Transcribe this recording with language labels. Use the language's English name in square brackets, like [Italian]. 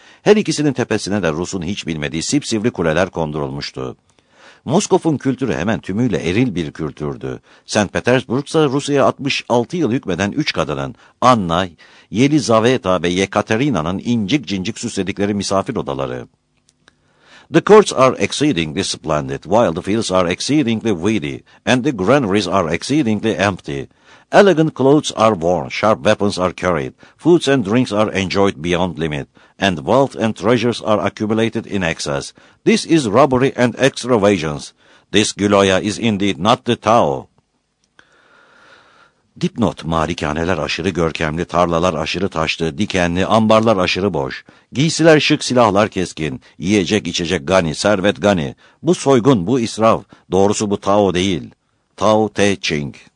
[Turkish] Her ikisinin tepesine de Rus'un hiç bilmediği sipsivri kuleler kondurulmuştu. Moskov'un kültürü hemen tümüyle eril bir kültürdü. St. Petersburg'da Rusya'ya 66 yıl hükmeden üç kadının, Anna, Yelizaveta ve Yekaterina'nın incik cincik süsledikleri misafir odaları. [English] The courts are exceedingly splendid, while the fields are exceedingly weedy, and the granaries are exceedingly empty. Elegant clothes are worn, sharp weapons are carried, foods and drinks are enjoyed beyond limit, and wealth and treasures are accumulated in excess. This is robbery and extravagance. This Güloya is indeed not the Tao. [Turkish] Dipnot, malikaneler aşırı görkemli, tarlalar aşırı taşlı, dikenli, ambarlar aşırı boş. Giysiler şık, silahlar keskin, yiyecek içecek gani, servet gani. Bu soygun, bu israf, doğrusu bu Tao değil. Tao Te Ching.